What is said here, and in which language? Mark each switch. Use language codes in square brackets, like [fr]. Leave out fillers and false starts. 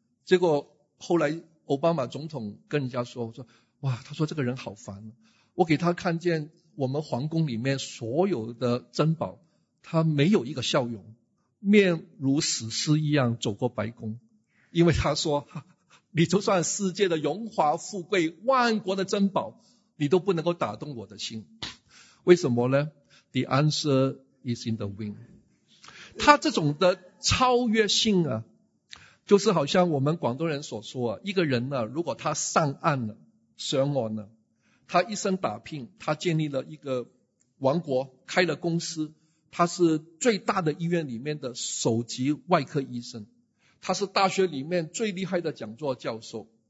[zh] 结果后来奥巴马总统跟人家说，我说哇，他说这个人好烦，我给他看见我们皇宫里面所有的珍宝，他没有一个笑容，面如死尸一样走过白宫。因为他说你就算世界的荣华富贵、万国的珍宝，你都不能够打动我的心。为什么呢？ [en] The answer is in the wind。 [zh] 他这种的超越性啊，就是好像我们广东人所说啊，一个人呢，如果他上岸了、上岸了，他一生打拼，他建立了一个王国，开了公司，他是最大的医院里面的首席外科医生，他是大学里面最厉害的讲座教授。